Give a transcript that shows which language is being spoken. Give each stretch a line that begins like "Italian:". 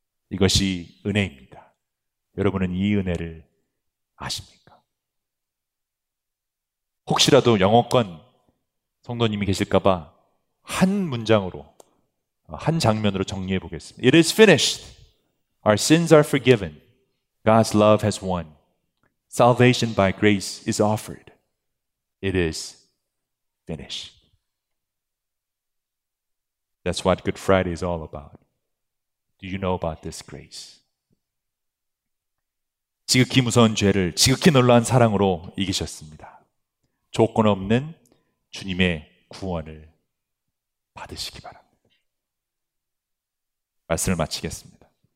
Korean: 이것이 은혜입니다. 여러분은 이 은혜를 아십니까? 혹시라도 영어권 성도님이 계실까봐 한 문장으로, 한 장면으로 정리해 보겠습니다.
English: It is finished. Our sins are forgiven. God's love has won. Salvation by grace is offered. It is finished. That's what Good Friday is all about. Do you know about this grace?
Korean: 지극히 무서운 죄를 지극히 놀라운 사랑으로 이기셨습니다. 조건 없는 주님의 구원을 받으시기 바랍니다. 말씀을 마치겠습니다.